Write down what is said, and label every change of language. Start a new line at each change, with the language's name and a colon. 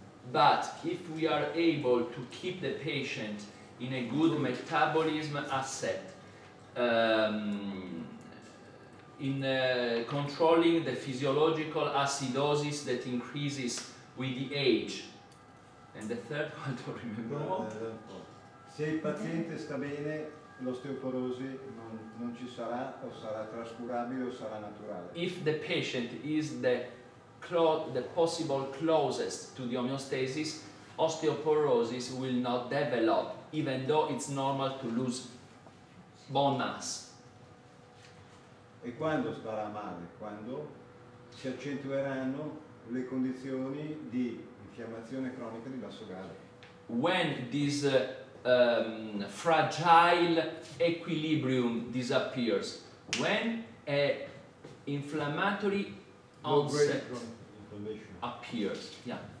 English: But if we are able to keep the patient in a good metabolism asset, in controlling the physiological acidosis that increases with the age. And the third one, I don't remember.
Italian: Se il paziente sta bene, l'osteoporosi non ci sarà, o sarà trascurabile, o sarà naturale.
English: If the patient is the possible closest to the homeostasis, osteoporosis will not develop, even though it's normal to lose bone mass.
Italian: E quando starà male? Quando si accentueranno le condizioni di infiammazione cronica di basso grado.
English: When this fragile equilibrium disappears, when a inflammatory onset appears, yeah.